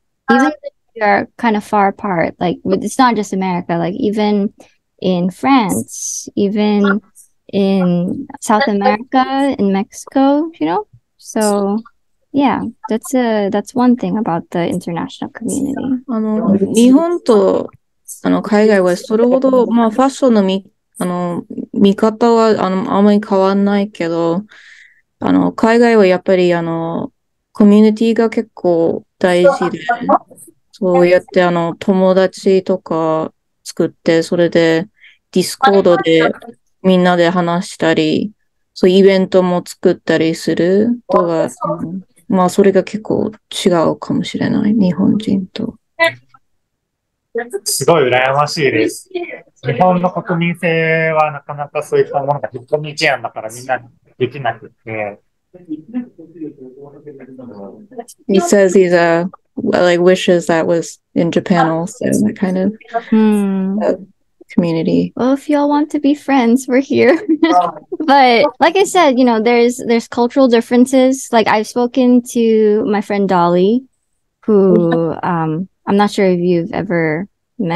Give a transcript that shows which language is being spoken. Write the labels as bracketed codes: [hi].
[en] Even if we are kind of far apart, like it's not just America, like even in France, even in South America, in Mexico, you know? So yeah, that's one thing about the international community. [ja] 日本と海外はそれほど、まあ、ファッションの見方はあまり変わんないけど、海外はやっぱりコミュニティが結構大事で、そうやって友達とか作って、それでディスコードでみんなで話したり、そうイベントも作ったりするとか、まあそれが結構違うかもしれない、日本人と。すごい羨ましいです。日本の国民性はなかなかそういったものが引っ込み思案だからみんなできなくて。 [en] He says he's a, like, wishes that was in Japan also, that kind of community. Well, if y'all want to be friends, we're here. But like I said, you know, there's cultural differences. Like, I've spoken to my friend Dolly, who, I'm not sure if you've ever met